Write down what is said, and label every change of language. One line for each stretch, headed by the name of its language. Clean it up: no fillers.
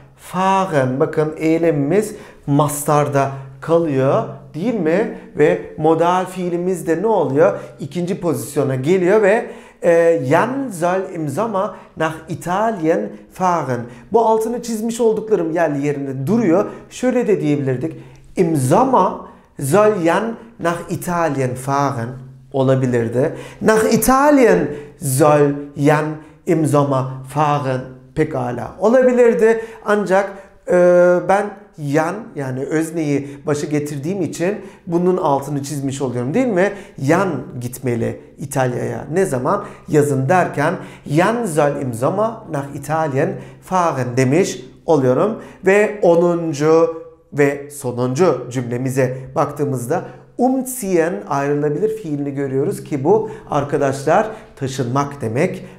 Turkish: Fahren, bakın eylemimiz mastarda kalıyor değil mi? Ve modal fiilimiz de ne oluyor? İkinci pozisyona geliyor ve
German: Yan soll im Sommer nach Italien fahren.
Turkish: Bu altını çizmiş olduklarım yerli yerinde duruyor. Şöyle de diyebilirdik.
German: Im Sommer soll Yan nach Italien fahren.
Turkish: Olabilirdi.
German: Nach Italien soll Yan im Sommer fahren.
Turkish: Pekala olabilirdi. Ancak ben yan yani özneyi başa getirdiğim için bunun altını çizmiş oluyorum değil mi? Yan gitmeli İtalya'ya. Ne zaman? Yazın derken
German: yan soll im Sommer nach Italien fahren
Turkish: demiş oluyorum. Ve 10. ve sonuncu cümlemize baktığımızda umziehen ayrılabilir fiilini görüyoruz ki bu arkadaşlar taşınmak demek.